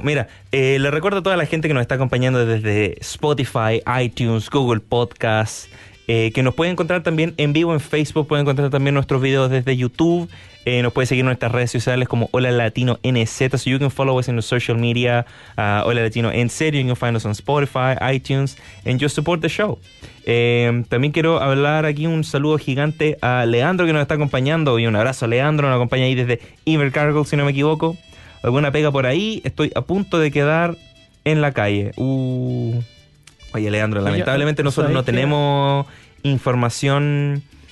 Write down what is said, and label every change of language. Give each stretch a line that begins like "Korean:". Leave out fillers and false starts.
Spanish: Mira, le recuerdo a toda la gente que nos está acompañando desde Spotify, iTunes, Google Podcasts, que nos puede encontrar también en vivo en Facebook, puede encontrar también nuestros videos desde YouTube. Nos puede seguir en nuestras redes sociales como Hola Latino NZ.
English: So you can follow us in the social media, Hola Latino NZ. You can find us on Spotify, iTunes, and just support the show.
Spanish: También quiero hablar aquí un saludo gigante a Leandro que nos está acompañando. Y un abrazo a Leandro, nos acompaña ahí desde Invercargill, si no me equivoco. ¿Alguna pega por ahí? Estoy a punto de quedar en la calle. Oye, Leandro, lamentablemente nosotros no tenemos información...